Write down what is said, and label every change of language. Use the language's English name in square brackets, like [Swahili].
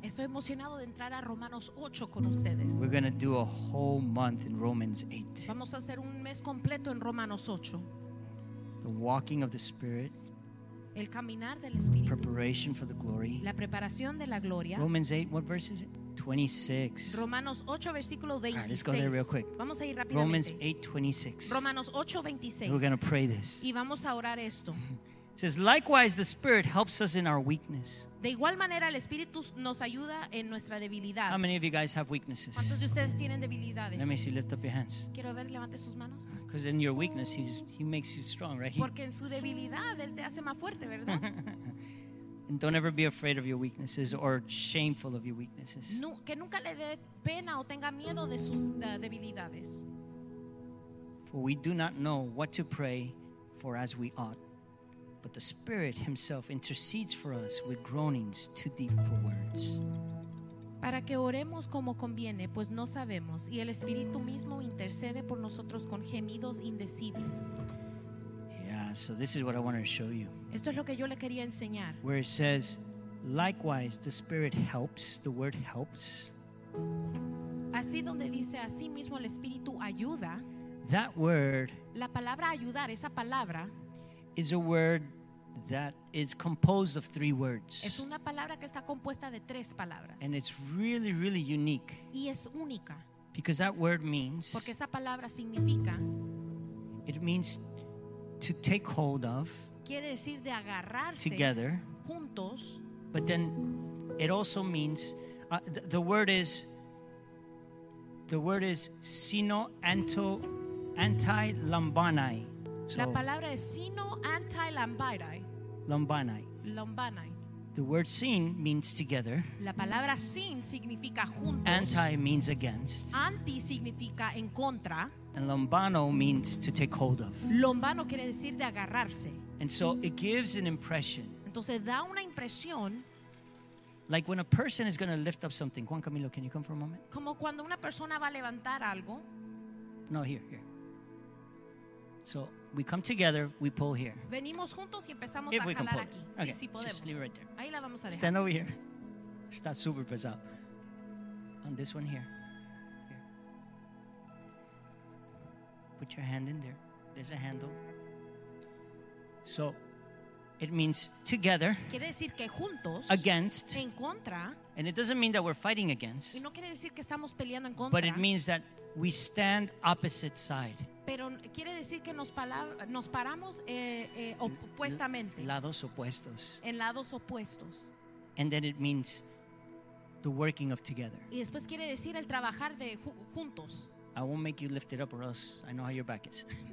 [Spanish] Estoy emocionado de entrar a Romanos 8 con ustedes. [English] We're going to do a whole month in Romans 8. [Spanish] Vamos a hacer un mes completo en Romanos 8. [English] The walking of the Spirit. [Spanish] El caminar del Espíritu. [English] Preparation for the glory. [Spanish] La preparación de la gloria. [English] Romans 8, what verse is it? 26. [Spanish] Romanos 8, versículo 26. [English] All right, let's go there real quick. [Spanish] Vamos a ir rápidamente. [English] Romans 8, 26. [Spanish] Romanos 8, 26. [English] We're going to pray this. [Spanish] Y vamos a orar esto. [English] It says, likewise, the Spirit helps us in our weakness. [Spanish] De igual manera, el Espíritu nos ayuda en nuestra debilidad. [English] How many of you guys have weaknesses? [Spanish] ¿Cuántos de ustedes tienen debilidades? [English] Let me see, lift up your hands. [Spanish] Quiero ver, levante sus manos. [English] Because in your weakness, he makes you strong, right? [Spanish] Porque en su debilidad, él te hace más fuerte, ¿verdad? [English] And don't ever be afraid of your weaknesses or shameful of your weaknesses. [Spanish] No, que nunca le dé pena o tenga miedo de sus debilidades. [English] For we do not know what to pray for as we ought. But the Spirit himself intercedes for us with groanings too deep for words. [Spanish] Para que oremos como conviene, pues no sabemos, y el Espíritu mismo intercede por nosotros con gemidos indecibles. [English] Yeah, so this is what I wanted to show you. [Spanish] Esto es lo que yo le quería enseñar. [English] Where it says, likewise, the Spirit helps, the word helps. [Spanish] Así donde dice, así mismo el Espíritu ayuda. [English] That word. [Spanish] La palabra ayudar, esa palabra. [English] Is a word that is composed of three words. [Spanish] Es una palabra que está compuesta de tres palabras. [English] And it's really, really unique. [Spanish] Y es única. [English] Because that word means. [Spanish] Porque esa palabra significa. [English] It means to take hold of. [Spanish] Quiere decir de agarrarse. [English] Together. [Spanish] Juntos. [English] But then, it also means the word is sino anti lambanai. [Spanish] So, la palabra es sino anti lambanai. [English] Lambanai. [Spanish] Lambanai. [English] The word sin means together. [Spanish] La palabra sin significa juntos. [English] Anti means against. [Spanish] Anti significa en contra. [English] And lambano means to take hold of. [Spanish] Lambano quiere decir de agarrarse. [English] And so it gives an impression. [Spanish] Entonces da una impresión. [English] Like when a person is going to lift up something. Juan Camilo, can you come for a moment? [Spanish] Como cuando una persona va a levantar algo. [English] No, here. So we come together, we pull here. [Spanish] Venimos juntos y empezamos [English] if [Spanish] a [English] we [Spanish] jalar [English] can pull [Spanish] aquí. [English] Okay, [Spanish] sí, sí podemos. [English] Just leave it right there. [Spanish] Ahí la vamos a dejar. [English] Stand over here. [Spanish] Está super pesado. [English] On this one here. Here. Put your hand in there. There's a handle. So it means together. [Spanish] Quiere decir que juntos. [English] Against. [Spanish] En contra. [English] And it doesn't mean that we're fighting against. [Spanish] Y no quiere decir que estamos peleando en contra. [English] But it means that we stand opposite side. [Spanish] Pero quiere decir que nos paramos opuestamente. Lados opuestos. En lados opuestos. [English] And then it means the working of together. [Spanish] Y después quiere decir el trabajar de juntos. [English] I won't make you lift it up or else I know how your back is.